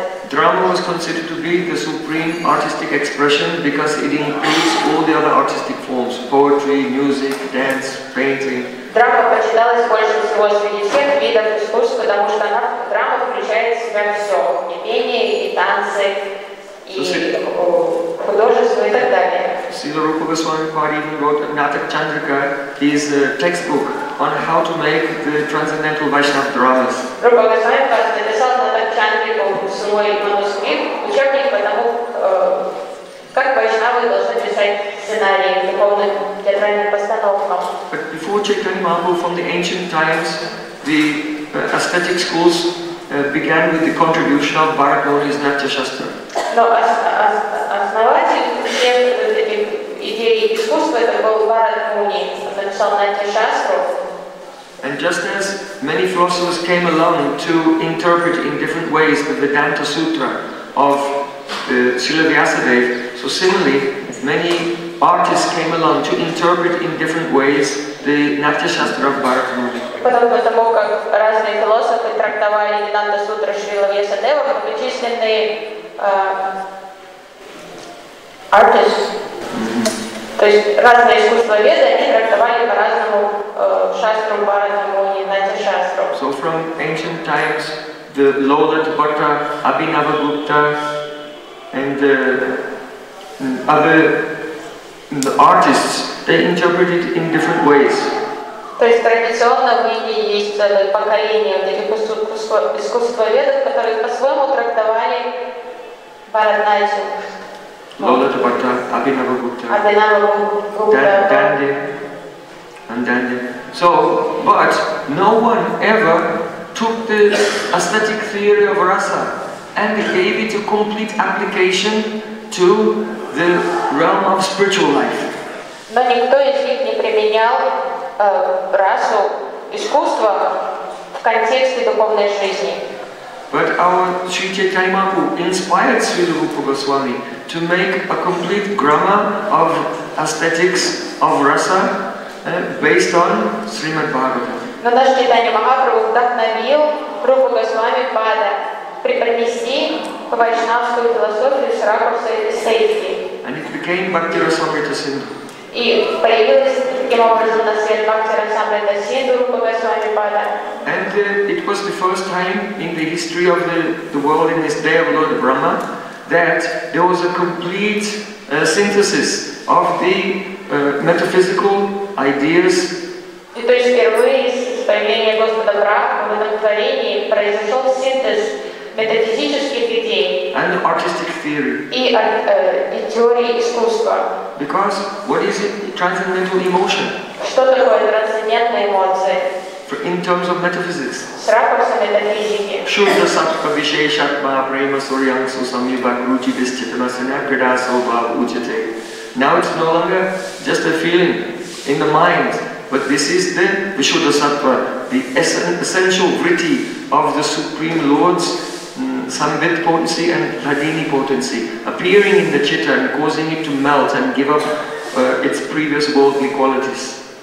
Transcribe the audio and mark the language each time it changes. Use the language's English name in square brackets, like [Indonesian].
[English] drama was considered to be the supreme artistic expression because it includes all the other artistic forms, poetry, music, dance, painting. [Russian] Драма почиталась больше всего среди всех видов искусств, потому что она драма включает в себя все: и пение, и танцы, и художество и так далее. [English] Srila Rupa Goswami Pari wrote Natak Chandrika, his textbook on how to make the transcendental Vaishnava dramas. [Russian] Rupa Goswami Pari написал Natak Chandrika свой манускрипт, учебник по тому, как Вайшнавы должны писать сценарии духовных театральных постановок. [English] But before Chaitanya Mahaprabhu, from the ancient times, the aesthetic schools began with the contribution of Bharat Mohini's Natya Shastra. [Russian] No, основатель идеи искусства это был Бхарат Муни, написал Натя Шастру. [English] And just as many philosophers came along to interpret in different ways the Vedanta Sutra of Srila Vyasadeva, so similarly many artists came along to interpret in different ways the Natya Shastra of Bharat Muni. [Russian] Потому как разные философы трактовали Vedanta Sutra Srila Vyasadeva, многочисленные артисты, то есть разные искусствоведы, они трактовали по-разному шастру Бхарата Муни, Натя Шастру. [English] So from ancient times, the Lolita Bhatta, Abhinava Gupta, and other the artists, they interpreted in different ways. [Russian] То есть традиционно в Индии есть целое поколение искусствоведов, которые по-своему трактовали Бхаратнатью. [English] Lolita Bhatta, Abhinava Gupta, Dandi. So, but no one ever took the aesthetic theory of rasa and gave it a complete application to the realm of spiritual life. [Russian] Но никто из них не применял расу, искусство в контексте духовной жизни. [English] But our Sri Chaitanya Mahaprabhu inspired Srila Rupa Goswami to make a complete grammar of aesthetics of rasa based on Srimad Bhagavatam. [Russian] Но наш Чайтанья Махапрабху вдохновил Рупу Госвами Пада преподнести вайшнавскую философию с ракурсой сейхи. [English] And it became Bhakti Rasamrita Sindhu. [Russian] И появилась таким образом на свет Бхакти Расамрита Синдху Рупа Госвами Пада. [English] And it was the first time in the history of the world in this day of Lord Brahma that there was a complete synthesis of the metaphysical ideas. [Russian] И то есть впервые с появления Господа Брахмы в этом творении произошел синтез метафизических идей [English] and artistic theory. [Russian] И теории искусства. [English] Because what is it? Transcendental emotion. [Russian] Что такое трансцендентная эмоция? [English] In terms of metaphysics. [Russian] С ракурса метафизики. [Sanskrit] Шудха саттва вишешатма према сурьянсу самьюбак ручи бисчитана санякрида саубхава учите. [English] Now it's no longer just a feeling in the mind, but this is the Vishuddha Sattva, the essential vritti of the Supreme Lord's Samvit potency and Ladini potency, appearing in the chitta and causing it to melt and give up its previous worldly qualities.